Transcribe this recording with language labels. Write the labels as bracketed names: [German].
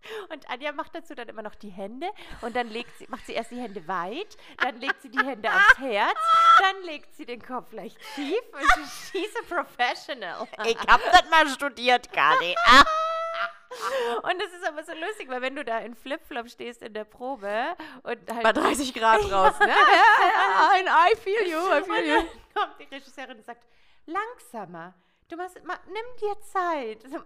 [German] Und Anja macht dazu dann immer noch die Hände und dann macht sie erst die Hände weit, dann legt sie die Hände aufs Herz, dann legt sie den Kopf leicht tief und [English] she's a professional. [German] Ich hab das mal studiert, Kari. Und das ist aber so lustig, weil wenn du da in Flipflop stehst in der Probe und halt... Bei 30 Grad draußen, ne? Ja, ja, [English] I feel you, I feel you. [German] Und dann kommt die Regisseurin und sagt, langsamer, du machst, nimm dir Zeit.